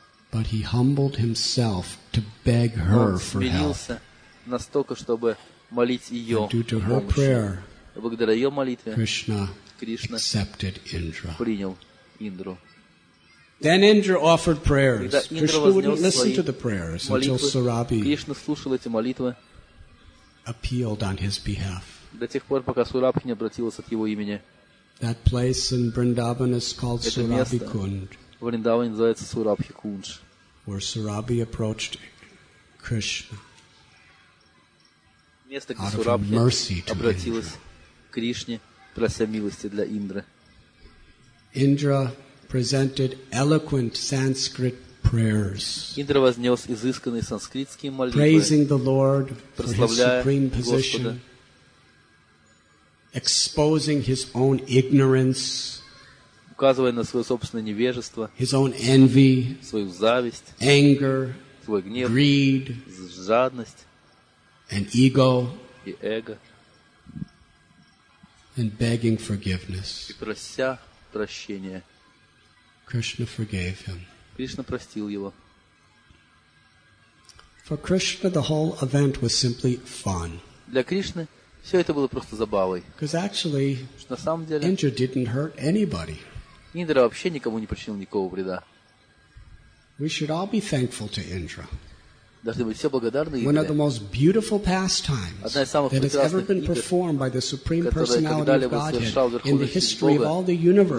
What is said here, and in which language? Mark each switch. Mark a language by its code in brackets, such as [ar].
[en] But he humbled himself to beg her for help. [ru] Настолько, чтобы молить ее о помощи. [en] Due to her prayer, [ru] благодаря ее молитве, [en] Krishna accepted Indra. [ru] Принял Индру. [en] Then Indra offered prayers. Krishna wouldn't listen to the prayers until Sarabi [ru] Кришна слушал эти молитвы. [en] Appealed on his behalf. [ru] До тех пор, пока Сурабхи не обратилась от его имени. [en] That place in Vrindavan is called Surabhi Kund. [ru] Вриндаване называется Сурабхи Кунд. [en] Where Sarabi approached Krishna. [ru] Место, где Сурабхи обратилась к Кришне, прося милости для Индры. [en] Indra presented eloquent Sanskrit prayers. [ru] Индра вознес изысканные санскритские молитвы. [en] Praising the Lord for his supreme position. Exposing his own ignorance, [ru] указывая на свое собственное невежество, [en] his own envy, [ru] свою зависть, [en] anger, [ru] свой гнев, [en] greed, [ru] жадность, [en] and ego, [ru] и эго, [en] and begging forgiveness, [ru] и прося прощения. [en] Krishna forgave him. [ru] Кришна простил его. [en] For Krishna, the whole event was simply fun. [ru] Для Кришны все это было просто забавой. [en] Because actually, [ru] на самом деле, [en] Indra didn't hurt anybody. [ru] Индра вообще никому не причинил никакого вреда. [en] We should all be thankful to Indra. [ru] Должны быть все благодарны [en] Индре. One of the most beautiful pastimes that has ever been performed by the Supreme Personality of Godhead in the history of all the universe,